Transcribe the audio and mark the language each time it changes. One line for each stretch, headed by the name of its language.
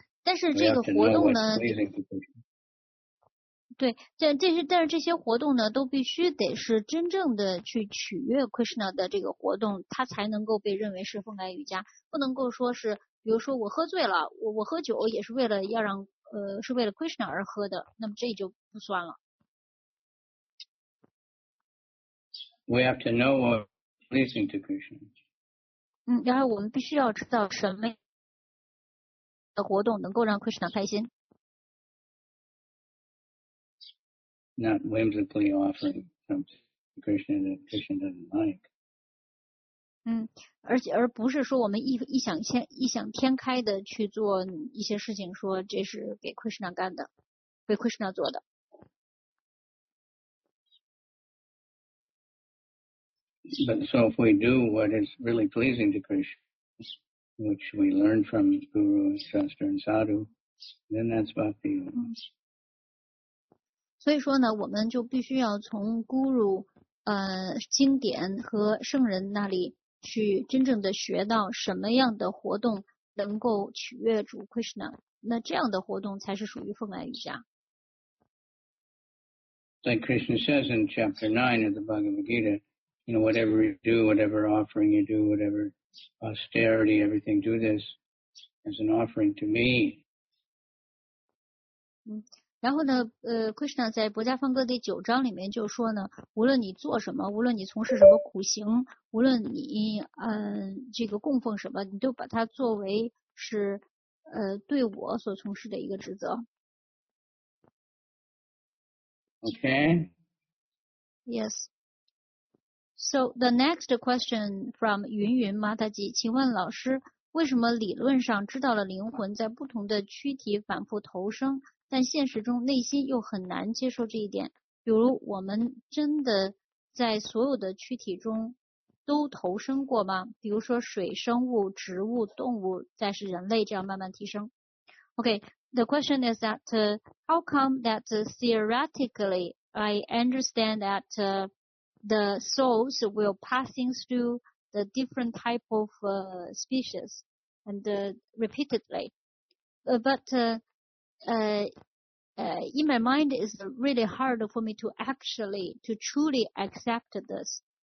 Chinese: 但是这个活动呢，对，但是这些活动呢，都必须得是真正的去取悦 Krishna 的这个活动，它才能够被认为是奉爱瑜伽，不能够说是，比如说我喝醉了，我喝酒也是为了要让是为了 Krishna 而喝的，那么这就不算了。
English: We have to know what pleasing to Krishna.
Chinese: 然后我们必须要知道什么的活动能够让 Krishna 开心。
English: Not whimsically offering something Krishna that Krishna doesn't like.
Chinese: 而不是说我们异想天开的去做一些事情，说这是给 Krishna 干的，为 Krishna 做的。
English: But so if we do what is really pleasing to Krishna, which we learn from Guru, Shastra, and Sadhu, then that's Bhakti.
Chinese: 所以说呢，我们就必须要从 Guru 经典和圣人那里去真正的学到什么样的活动能够取悦主 Krishna， 那这样的活动才是属于奉爱瑜伽。
English: like Krishna says in chapter 9 of the Bhagavad Gita, you know, whatever you do, whatever offering you do, whatever austerity, everything, do this as an offering to me.
Chinese: 然后呢，Krishna 在《薄伽梵歌》第九章里面就说呢，无论你做什么，无论你从事什么苦行，无论你这个供奉什么，你都把它作为是对我所从事的一个职责。
English: Okay. Yes. So the next question from
Chinese: 云云 Mataji， 请问老师，为什么理论上知道了灵魂在不同的躯体反复投生？但现实中内心又很难接受这一点，比如我们真的在所有的躯体中都投生过吗？比如说水生物、植物、动物，再是人类，这样慢慢提升。
English: OK, the question is that how come that theoretically I understand that the souls will passing through the different type of species and repeatedly in my mind, it's really hard for me to truly accept this.